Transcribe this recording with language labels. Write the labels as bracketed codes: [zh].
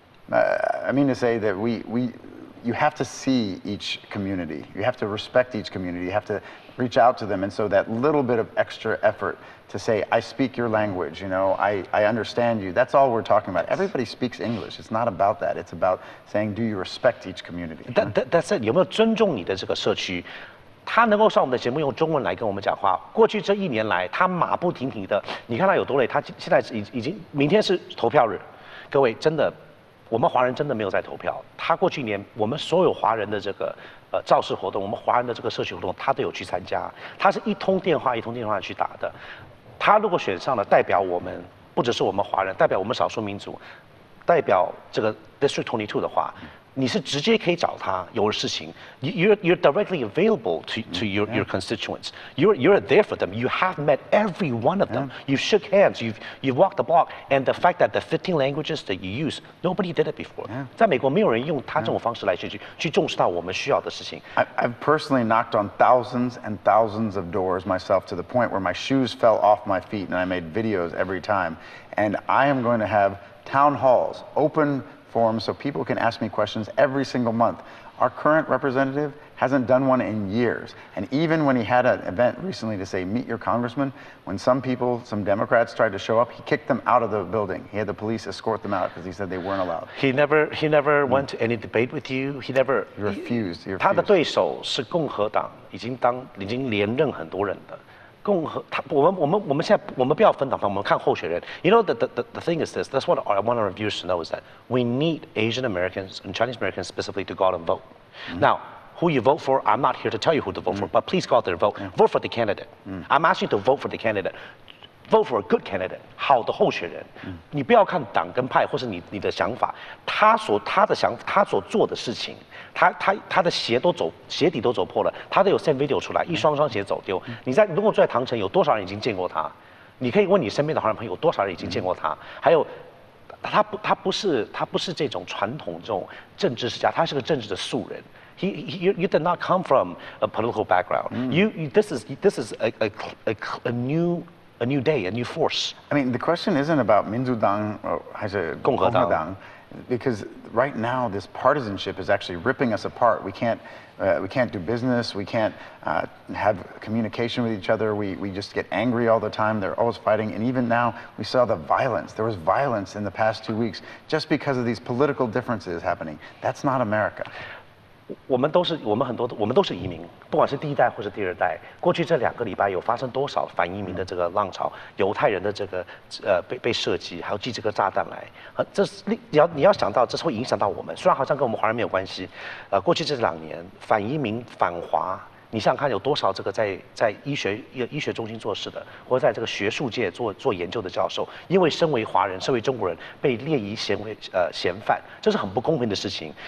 [en] I mean to say that you have to see each community, you have to respect each community, you have to reach out to them, and so that little bit of extra effort to say, I speak your language, you know, I understand you, that's all we're talking about. Everybody speaks English, it's not about that, it's about saying, do you respect each community? That's it, [zh] 有没有尊重你的这个社区？他能够上我们的节目用中文来跟我们讲话，过去这一年来，他马不停蹄的，你看他有多累，他现在已经，明天是投票日。各位真的，我们华人真的没有在投票。他过去一年，我们所有华人的这个造势活动，我们华人的这个社区活动，他都有去参加。他是一通电话一通电话去打的。他如果选上了，代表我们不只是我们华人，代表我们少数民族，代表这个 District 22的话，你是直接可以找他有事情。 [en] You're directly available to your constituents. You're there for them. You have met every one of them. You shook hands. You walked the block. And the fact that the 15 languages that you use, nobody did it before. [zh] 在美国没有人用他这种方式来去重视到我们需要的事情。 [en] I've personally knocked on thousands and thousands of doors myself to the point where my shoes fell off my feet and I made videos every time. And I am going to have town halls open. Forum so people can ask me questions every single month. Our current representative hasn't done one in years. And even when he had an event recently to say, meet your congressman, when some people, some Democrats tried to show up, he kicked them out of the building. He had the police escort them out because he said they weren't allowed. He never went to any debate with you. He never... He refused. [zh] 他的对手是共和党，已经连任很多人的。共和他我们现在我们不要分党派，我们看候选人。 [en] You know the thing is this. That's what I want our viewers to know is that we need Asian Americans and Chinese Americans specifically to go out and vote. Now, who you vote for, I'm not here to tell you who to vote for, but please go out there and vote. Vote for the candidate. I'm asking to vote for the candidate. Vote for a good candidate. [zh] 好的候选人。你不要看党跟派或是你的想法。他所做的事情。他的鞋底都走破了，他都有 [en] send video [zh] 出来，一双双鞋走丢。如果住在唐城，有多少人已经见过他？你可以问你身边的华人朋友，有多少人已经见过他？还有，他不是这种传统这种政治世家，他是个政治的素人。 [en] You did not come from a political background. This is a new day, a new force. I mean, the question isn't about [zh] 民主党还是共和党。 [en] Because right now this partisanship is actually ripping us apart. We can't do business. We can't have communication with each other. We just get angry all the time. They're always fighting. And even now we saw the violence. There was violence in the past 2 weeks just because of these political differences happening. That's not America. [zh] 我们都是移民，不管是第一代或是第二代。过去这两个礼拜有发生多少反移民的这个浪潮？犹太人的这个被射击，还有寄这个炸弹来，这是你要想到，这是会影响到我们。虽然好像跟我们华人没有关系，过去这两年反移民反华，你想看有多少这个在医学中心做事的，或者在这个学术界做研究的教授，因为身为华人，身为中国人，被列为嫌犯，这是很不公平的事情。